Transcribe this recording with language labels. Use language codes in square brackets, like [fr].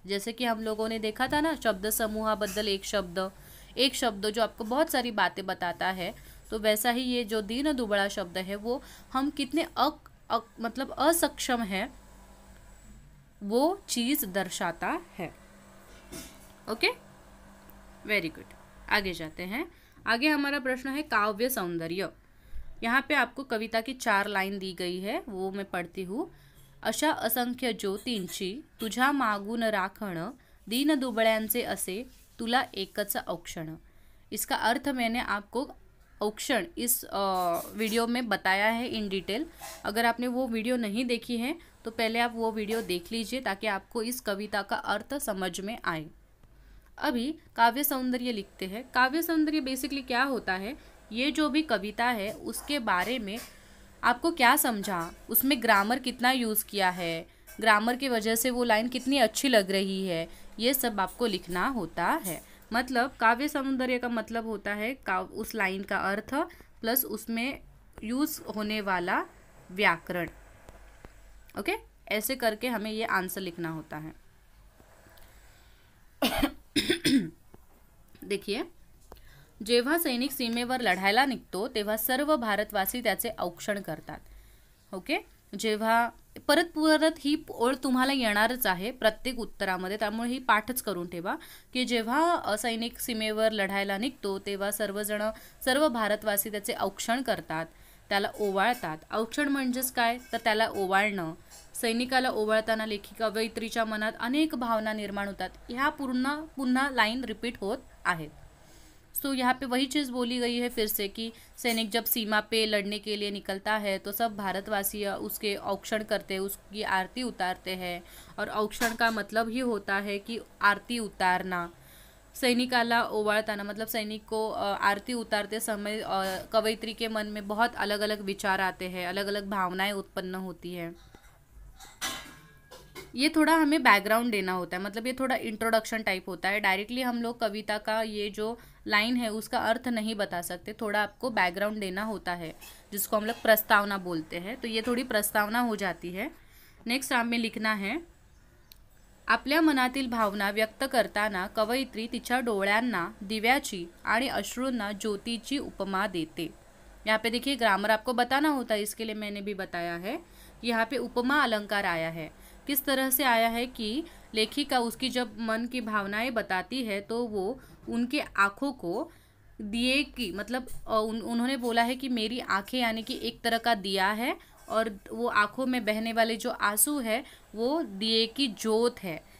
[hi] जैसे कि हम लोगों ने देखा था ना शब्द समूहाबद्दल एक शब्द जो आपको बहुत सारी बातें बताता है, तो वैसा ही ये जो दीन दुबळा शब्द है वो हम कितने मतलब असक्षम है वो चीज़ दर्शाता है। ओके वेरी गुड आगे जाते हैं। आगे हमारा प्रश्न है काव्य सौंदर्य, यहाँ पे आपको कविता की चार लाइन दी गई है वो मैं पढ़ती हूँ। [mr] अशा असंख्य ज्योतींची तुझा मागून राखण दीन दुबळ्यांचे असे तुला एकच औक्षण। [hi] इसका अर्थ मैंने आपको औक्षण इस वीडियो में बताया है [en] in detail, [hi] अगर आपने वो वीडियो नहीं देखी है तो पहले आप वो वीडियो देख लीजिए ताकि आपको इस कविता का अर्थ समझ में आए। अभी काव्य सौंदर्य लिखते हैं। काव्य सौंदर्य बेसिकली क्या होता है, ये जो भी कविता है उसके बारे में आपको क्या समझा, उसमें ग्रामर कितना यूज़ किया है, ग्रामर की वजह से वो लाइन कितनी अच्छी लग रही है, ये सब आपको लिखना होता है। मतलब काव्य सौंदर्य का मतलब होता है उस लाइन का अर्थ प्लस उसमें यूज़ होने वाला व्याकरण। ओके, ऐसे करके हमें ये आंसर लिखना होता है। [mr] देखिए, जेव्हा सैनिक सीमेवर लढायला निघतो तेव्हा सर्व भारतवासी त्याचे औक्षण करतात। ओके, जेव्हा परत परत ही ओळ तुम्हाला येणारच आहे प्रत्येक उत्तरामध्ये, त्यामुळे ही पाठच करून ठेवा की जेव्हा सैनिक सीमेवर लढायला निघतो तेव्हा सर्वजण सर्व भारतवासी त्याचे औक्षण करतात, त्याला ओवाळतात। औक्षण म्हणजेच काय, तर त्याला ओवाळणं। सैनिकाला ओवाळताना लेखी कवयित्रीच्या मनात अनेक भावना निर्माण होतात। ह्या पूर्ण पुन्हा लाईन रिपीट होत आहेत। [hi] सो यहाँ पे वही चीज़ बोली गई है फिर से कि सैनिक जब सीमा पे लड़ने के लिए निकलता है तो सब भारतवासी उसके औक्षण करते हैं, उसकी आरती उतारते हैं, और औक्षण का मतलब ही होता है कि आरती उतारना। [mr] सैनिकाला ओवाळताना [hi] मतलब सैनिक को आरती उतारते समय कवयित्री के मन में बहुत अलग अलग विचार आते हैं, अलग अलग भावनाएँ उत्पन्न होती है। ये थोड़ा हमें बैकग्राउंड देना होता है, मतलब ये थोड़ा इंट्रोडक्शन टाइप होता है। डायरेक्टली हम लोग कविता का ये जो लाइन है उसका अर्थ नहीं बता सकते, थोड़ा आपको बैकग्राउंड देना होता है, जिसको हम लोग प्रस्तावना बोलते हैं। तो ये थोड़ी प्रस्तावना हो जाती है। नेक्स्ट हमें लिखना है, [mr] आपल्या मनातील भावना व्यक्त करताना कवयित्री तिच्या डोळ्यांना दिव्याची आणि अश्रूंना ज्योतीची उपमा देते। [hi] यहाँ पे देखिए ग्रामर आपको बताना होता है, इसके लिए मैंने भी बताया है। यहाँ पे उपमा अलंकार आया है, किस तरह से आया है कि लेखिका उसकी जब मन की भावनाएं बताती है तो वो उनके आँखों को दिए की मतलब उन्होंने बोला है कि मेरी आँखें यानी कि एक तरह का दिया है, और वो आँखों में बहने वाले जो आंसू है वो दिए की ज्योत है।